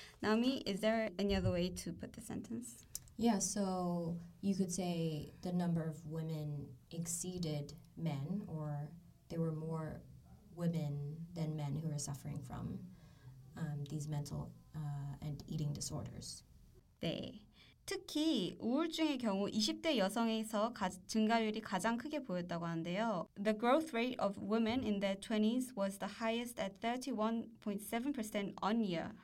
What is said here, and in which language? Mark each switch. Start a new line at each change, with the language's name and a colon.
English: Naomi, is there any other way to put the sentence? Yeah, so you could say the number of women exceeded men, or there were more women than men who are suffering from these mental and eating disorders.
Korean: 네, 특히 우울증의 경우 20대 여성에서 증가율이 가장 크게 보였다고 하는데요.
English: The growth rate of women in their 20s was the highest at 31.7% on year.